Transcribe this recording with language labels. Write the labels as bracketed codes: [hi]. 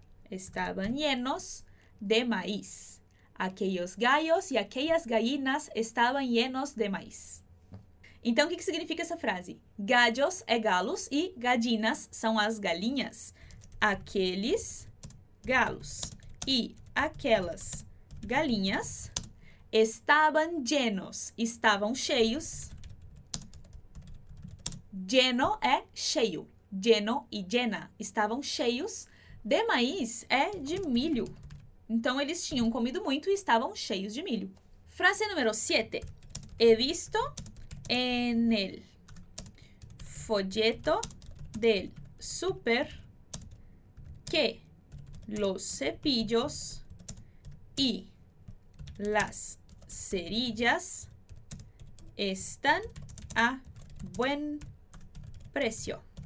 [es] Estaban llenos de maíz. Aquellos gallos y aquellas gallinas estaban llenos de maíz. [pt] Então, o que significa essa frase? Gallos é galos e gallinas são as galinhas. Aqueles galos e aquelas galinhas [es] estaban llenos, [pt] estavam cheios. Lleno é cheio. Lleno e llena. Estavam cheios de maíz, é de milho. Então, eles tinham comido muito e estavam cheios de milho. Frase número 7. [es] He visto en el folleto del súper que los cepillos y las cerillas están a buen precio.